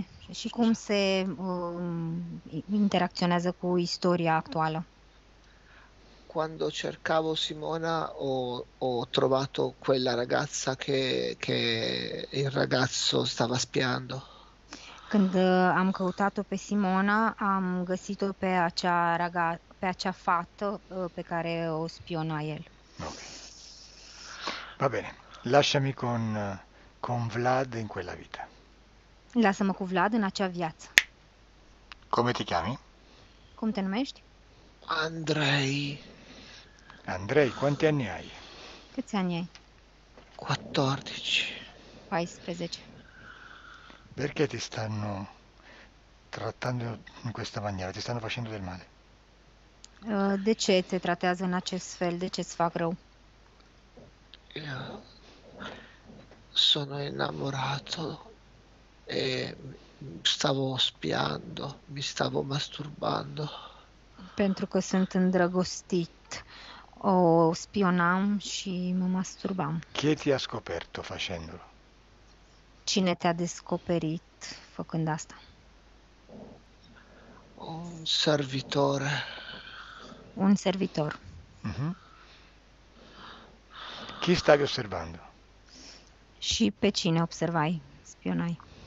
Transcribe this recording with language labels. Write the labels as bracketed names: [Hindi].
[Romanian] Și cum se interacționează cu istoria attuale. [Italian] Quando cercavo Simona ho trovato quella ragazza che il ragazzo stava spiando. [Romanian] Când am căutat-o pe Simona, am găsit-o pe acea raga, pe acea fată pe care o spiona el. [Italian] Va bene, lasciami con Vlad in quella vita. [Romanian] Lasă-mă cu Vlad în acea viață. [Italian] Come ti chiami? [Romanian] Cum te numești? Andrei. [Italian] Andrei, quanti anni hai? [Romanian] Câți ani ai? 14. 14. [Italian] Perché ti stanno trattando in questa maniera? Ti stanno facendo del male? [Romanian] De ce te trattează in acest fel? De ce ti fa greu? [Italian] Sono innamorato e stavo spiando, mi stavo masturbando. [Romanian] Pentru că sunt îndrăgostit, o spionam și mă masturbam. [Italian] Chi ti ha scoperto facendolo? [Romanian] Cine te-a descoperit făcând asta? [Italian] Un servitore. [Romanian] Un servitor. [Italian] Chi stavi osservando? [Romanian] Și pe cine observai, spionai?